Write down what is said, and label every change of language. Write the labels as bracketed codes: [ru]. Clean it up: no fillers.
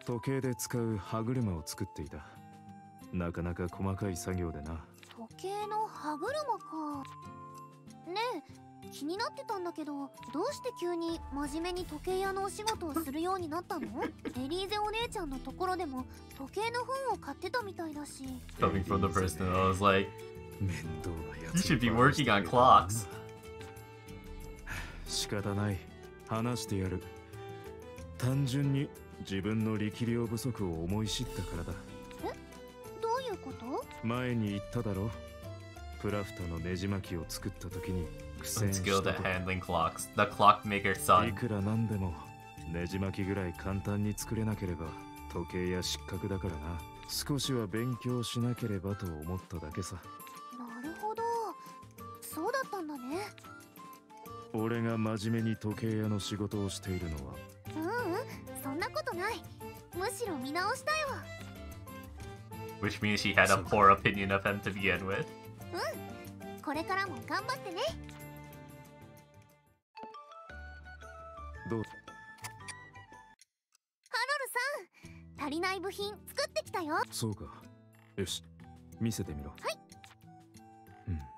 [ja] 時計で使う歯車を作っていた。なかなか細かい作業でな。時計の歯車か。ねえ、気になってたんだけど、どうして急に真面目に時計屋のお仕事をするようになったの？エリーゼお姉ちゃんのところでも時計の本を買ってたみたいだし。 [en] Coming from the person, I was like, you should be working on clocks. [ja] 仕方ない。話してやる。単純に自分の力量不足を思い知ったからだ。え？どういうこと？前に言っただろ。プラフタのネジ巻きを作った時に。 [en] Skilled at handling clocks, the clockmaker's son. [ja] いくらなんでもネジ巻きぐらい簡単に作れなければ時計や失格だからな。少しは勉強しなければと思っただけさ。なるほど、そうだったんだね。俺が真面目に時計屋の仕事をしているのは。ううん、そんなことない。むしろ見直したよ。 [en] Which means she had a poor opinion of him to begin with. [ja] うん、これからも頑張ってね。どうぞ。ハロルさん、足りない部品作ってきたよ。そうか、よし、見せてみろ。はい。うん、